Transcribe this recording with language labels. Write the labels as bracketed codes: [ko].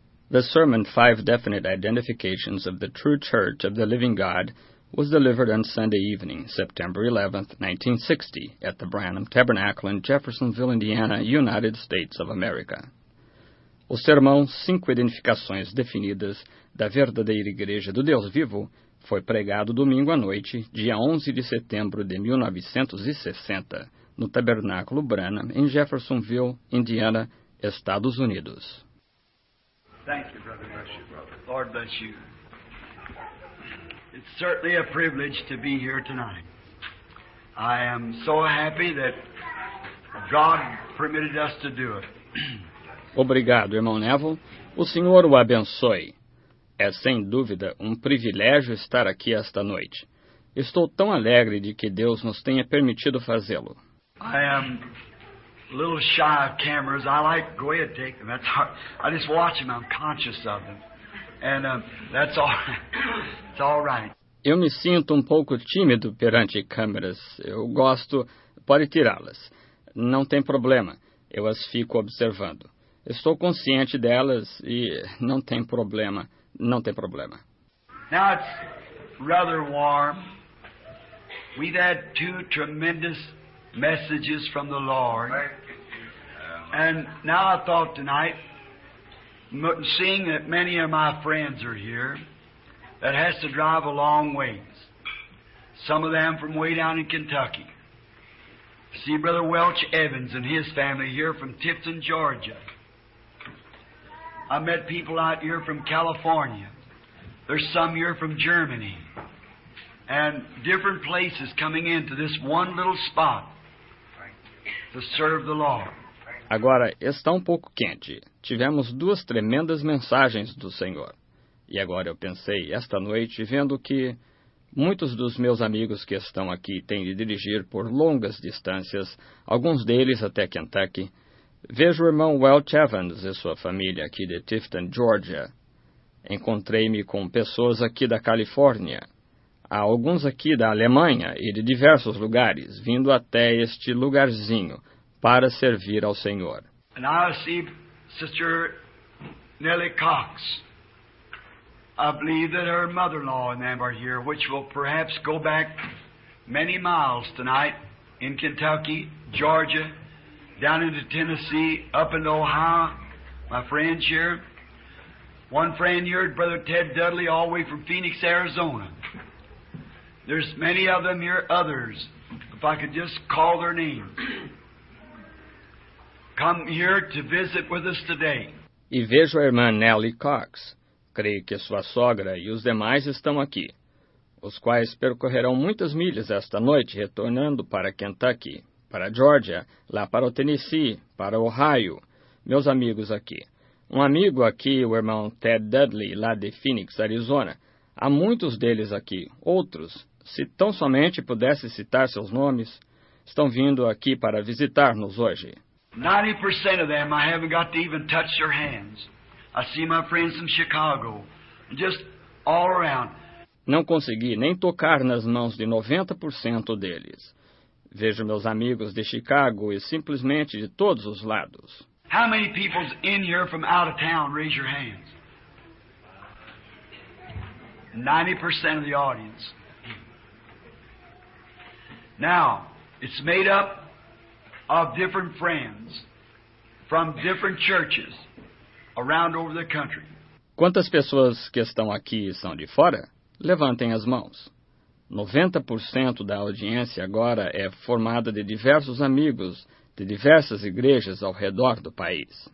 [en] The sermon, Five Definite Identifications of the True Church of the Living God, was delivered on Sunday evening, September 11, 1960, at the Branham Tabernacle in Jeffersonville, Indiana, United States of America. [pt] O sermão Cinco Identificações Definidas da Verdadeira Igreja do Deus Vivo foi pregado domingo à noite, dia 11 de setembro de 1960, no Tabernáculo Branham, em Jeffersonville, Indiana, Estados Unidos. [en] Thank you, brother. Bless you, brother. Lord bless you. It's certainly a privilege to be here tonight. I am so happy that God permitted us to do it. [pt] Obrigado, irmão Neville. O Senhor o abençoe. É sem dúvida um privilégio estar aqui esta noite. Estou tão alegre de que Deus nos tenha permitido fazê-lo. [en] I am a little shy of cameras. I like go ahead, take them. That's hard. I just watch them. I'm conscious of them, and that's all. It's all right. [pt] Eu me sinto pouco tímido perante câmeras. Eu gosto. Pode tirá-las. Não tem problema. Eu as fico observando. Estou consciente delas e não tem problema. Não tem problema. [en] Now it's rather warm. We've had two tremendous messages from the Lord. And now I thought tonight, seeing that many of my friends are here, that has to drive a long ways. Some of them from way down in Kentucky. See Brother Welch Evans and his family here from Tifton, Georgia. I met people out here from California. There's some here from Germany. And different places coming into this one little spot to serve the Lord. [pt] Agora, está pouco quente. Tivemos duas tremendas mensagens do Senhor. E agora eu pensei, esta noite, vendo que muitos dos meus amigos que estão aqui têm de dirigir por longas distâncias, alguns deles até Kentucky. Vejo o irmão Welch Evans e sua família aqui de Tifton, Georgia. Encontrei-me com pessoas aqui da Califórnia. Há alguns aqui da Alemanha e de diversos lugares, vindo até este lugarzinho, para servir ao Senhor. [en] And I see Sister Nellie Cox. I believe that her mother-in-law and them are here, which will perhaps go back many miles tonight in Kentucky, Georgia, down into Tennessee, up into Ohio. My friends here. One friend here, Brother Ted Dudley, all the way from Phoenix, Arizona. There's many of them here, others. If I could just call their names. Come here to visit with us today. [pt] E vejo a irmã Nellie Cox. Creio que sua sogra e os demais estão aqui, os quais percorrerão muitas milhas esta noite, retornando para Kentucky, para Georgia, lá para o Tennessee, para Ohio. Meus amigos aqui. Um amigo aqui, o irmão Ted Dudley, lá de Phoenix, Arizona. Há muitos deles aqui. Outros, se tão somente pudesse citar seus nomes, estão vindo aqui para visitar-nos hoje. [en] 90% of them, I haven't got to even touch their hands. I see my friends in Chicago, just all around. [pt] Não consegui nem tocar nas mãos de 90% deles. Vejo meus amigos de Chicago e simplesmente de todos os lados. [en] How many people's in here from out of town? Raise your hands. 90% of the audience. Now, it's made up of different friends from different churches around over the country. [pt] Quantas pessoas que estão aqui são de fora? Levantem as mãos. 90% da audiência agora é formada de diversos amigos de diversas igrejas ao redor do país.